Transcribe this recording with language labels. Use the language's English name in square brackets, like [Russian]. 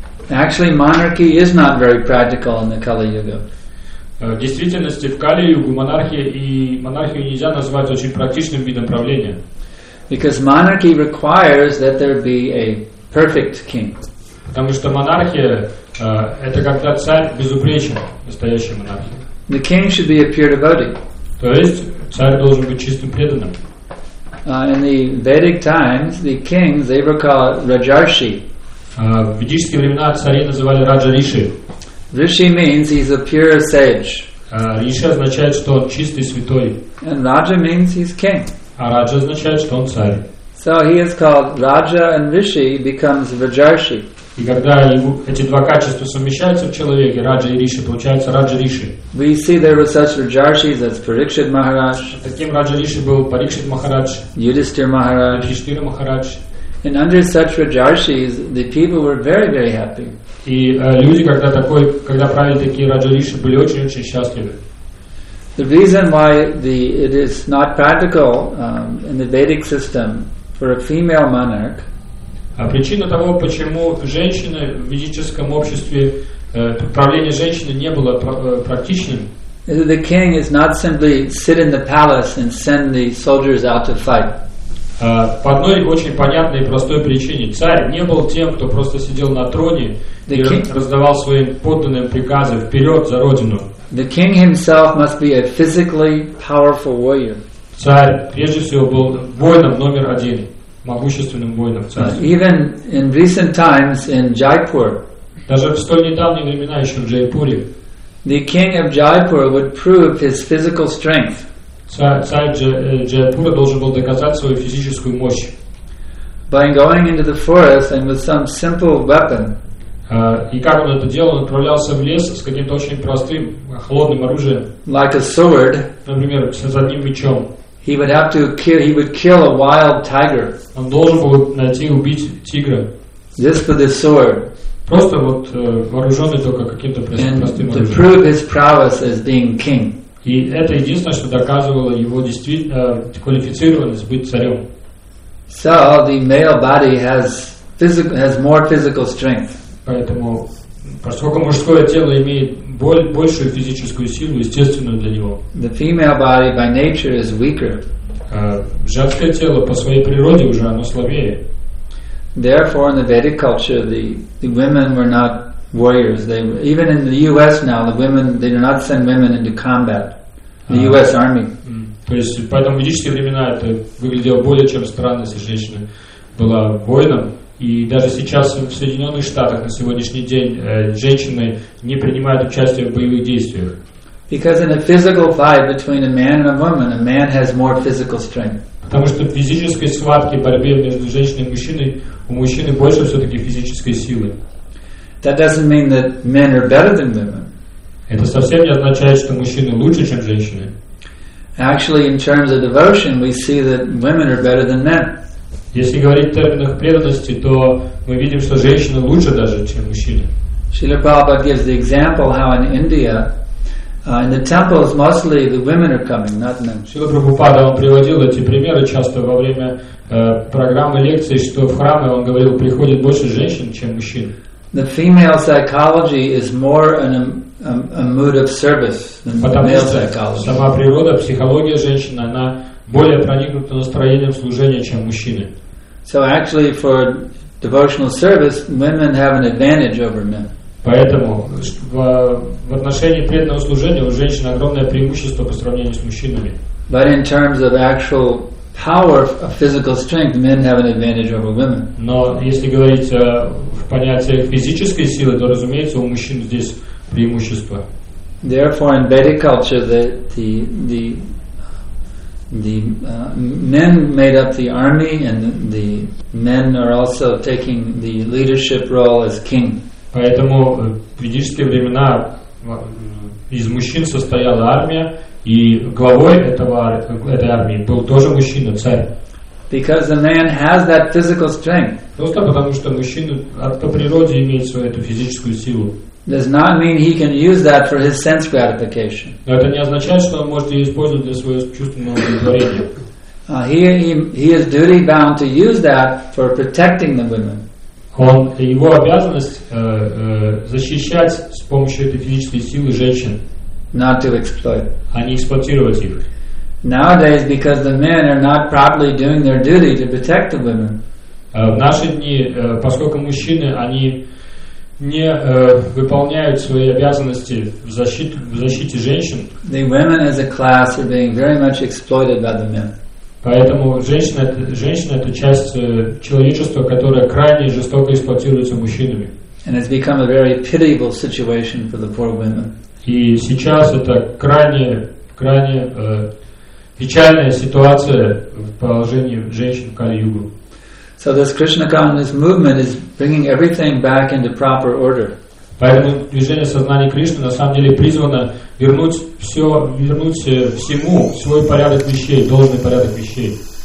[English] Actually, monarchy is not very practical in the Kali-yuga. [Russian] В действительности, в Кали-югу монархию нельзя назвать очень практичным видом правления. [English] Because monarchy requires that there be a perfect king. [Russian] Потому что монархия это когда царь безупречен, настоящая монархия. [English] The king should be a pure devotee. [Russian] То есть царь должен быть чистым преданным. [English] In the Vedic times, the kings they were called Rajarshi. [Russian] В ведические времена царей называли Раджа Риши. [English] Rishi means he's a pure sage. [Russian] Риши означает, что он чистый святой. [English] And Raja means he's king. [Russian] А Раджа означает, что он царь. [English] So he is called Raja, and Rishi becomes Rajarshi. [Russian] И когда эти два качества совмещаются в человеке, Раджа и Риши, получается Раджа Риши. [English] We see there were such Раджаршис as Парикшит Махарадж. [Russian] Таким Раджа Риши был Парикшит Махарадж. [English] Юдистир Махарадж. [Russian] Юдистир Махарадж. [English] And under such Раджаршис, the people were very, very happy. [Russian] И люди, когда правили такие Раджа Риши, были очень-очень счастливы. [English] The reason why it is not practical in the Vedic system for a female monarch. [Russian] А причина того, почему женщины в ведическом обществе правление женщины не было практичным, [English] the king is not simply sit in the palace and send the soldiers out to fight. [Russian] По одной очень понятной и простой причине, царь не был тем, кто просто сидел на троне и раздавал своим подданным приказы вперед за родину. [English] The king himself must be a physically powerful warrior. [Russian] Царь прежде всего был воином номер один. Могущественным воином царства. [English] Even in recent times in Jaipur, [Russian] даже в столь недавние времена еще в Джайпуре, [English] the king of Jaipur would prove his physical strength. [Russian] Царь Джайпура должен был доказать свою физическую мощь. [English] By going into the forest and with some simple weapon. [Russian] И как он это делал? Он отправлялся в лес с каким-то очень простым холодным оружием. [English] Like a sword. [Russian] Например, с одним мечом. [English] He would have to kill. He would kill a wild tiger. [Russian] Он должен был найти убить тигра. [English] Just for the sword. [Russian] Просто вот вооруженный только каким-то простым оружием. [English] To prove his prowess as being king. [Russian] И это единственное, что доказывало его действительно квалифицированность быть царем. [English] So the male body has more physical strength. [Russian] Поэтому, поскольку мужское тело имеет большую физическую силу, естественно для него. [English] The female body by nature is weaker. [Russian] Женское тело по своей природе уже оно слабее. [English] Therefore, in the Vedic culture, the women were not warriors. They even in the U.S. now, the women they do not send women into combat. The U.S. Army. [Russian] То есть поэтому в ведические времена это выглядело более чем странно, если женщина была воином. И даже сейчас в Соединенных Штатах на сегодняшний день женщины не принимают участие в боевых действиях. [English] Because in a physical fight between a man and a woman, a man has more physical strength. [Russian] Потому что в физической схватке, борьбе между женщиной и мужчиной, у мужчины больше все-таки физической силы. [English] That doesn't mean that men are better than women. [Russian] Это совсем не означает, что мужчины лучше, чем женщины. [English] Actually, in terms of devotion, we see that women are better than men. [Russian] Если говорить в терминах преданности, то мы видим, что женщины лучше даже, чем мужчины. [English] Шрила Прабхупада gives the example how in India, in the temples, mostly the women are coming, not men. [Russian] Шрила Прабхупада он приводил эти примеры часто во время программы лекций, что в храмы он говорил приходит больше женщин, чем мужчин. [English] The female psychology is more an a mood of service than the male psychology. [Russian] Сама природа, психология женщины, она более проникнута настроением служения, чем мужчины. [English] So actually, for devotional service, women have an advantage over men. [Russian] Поэтому в отношении преданного служения у женщин огромное преимущество по сравнению с мужчинами. [English] But in terms of actual power of physical strength, men have an advantage over women. [Russian] Но если говорить в понятиях физической силы, то, разумеется, у мужчин здесь преимущество. [English] Therefore, in Vedic culture, the men made up the army, and the men are also taking the leadership role as king. [Russian] Поэтому в ведические времена из мужчин состояла армия. И главой этой армии был тоже мужчина, царь. [English] Because the man has that physical strength. [Russian] Просто потому, что мужчина по природе имеет свою эту физическую силу. [English] Does not mean he can use that for his sense gratification. [Russian] Но это не означает, что он может ее использовать для своего чувственного удовлетворения. [English] He is duty bound to use that for protecting the women. [Russian] Он, его обязанность защищать с помощью этой физической силы женщин. [English] Not to exploit. [Russian] А не эксплуатировать их. [English] Nowadays, because the men are not properly doing their duty to protect the women. [Russian] В наши дни, поскольку мужчины, они не выполняют свои обязанности в защите женщин. [English] The women as a class are being very much exploited by the men. [Russian] Поэтому женщина это часть человечества, которая крайне жестоко эксплуатируется мужчинами. [English] And it's become a very pitiable situation for the poor women. [Russian] И сейчас это крайне печальная ситуация в положении женщин в Кали-Югу. [English] So this Krishna consciousness movement is bringing everything back into proper order. [Russian] Поэтому движение сознания Кришны на самом деле призвано вернуть всему свой порядок вещей, должный порядок вещей.